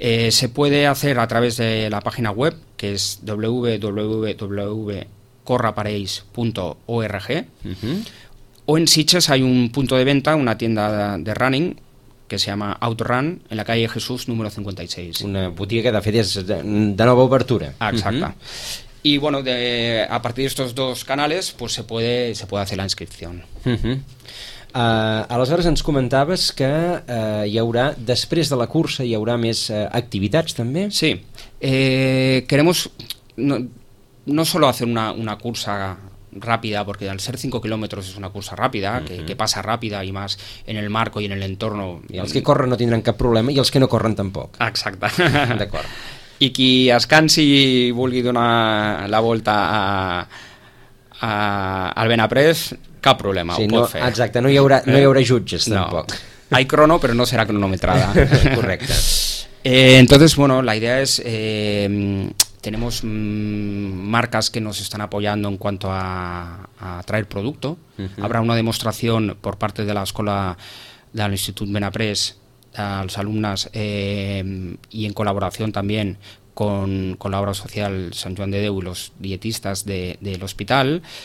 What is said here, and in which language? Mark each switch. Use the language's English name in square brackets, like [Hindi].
[Spanish] Se puede hacer a través de la página web, que es www.corrapareis.org, uh-huh, o en Sitges hay un punto de venta, una tienda de running que se llama Outrun, en la calle Jesús número 56. [Catalan] Una botiga que de fet és de nova obertura. Exacte. [Spanish] Uh-huh. Y bueno, a partir de estos dos canales pues se puede hacer la inscripción. Uh-huh. [Catalan] Aleshores ens comentaves que hi haurà, després de la cursa, hi haurà més activitats també? [Spanish] Sí, queremos no solo hacer una cursa rápida, porque al ser 5 kilómetros es una cursa rápida, uh-huh, que pasa rápida y más en el marco y en el entorno. [Catalan] I els que corren no tindran cap problema i els que no corren tampoc. Exacte. D'acord. I qui es cansi i vulgui donar la volta al Benaprés, cap problema, sí, ho pot no, fer. Exacte, no hi haurà jutges, no, tampoc. [Spanish] Hay crono, pero no será cronometrada. [Catalan] Correcte. [Spanish] Entonces, bueno, la idea es... tenemos marcas que nos están apoyando en cuanto a traer producto. Uh-huh. Habrá una demostración por parte de la Escuela del Instituto Benaprés a las alumnas y en colaboración también con la obra social San Juan de Déu y los dietistas del hospital.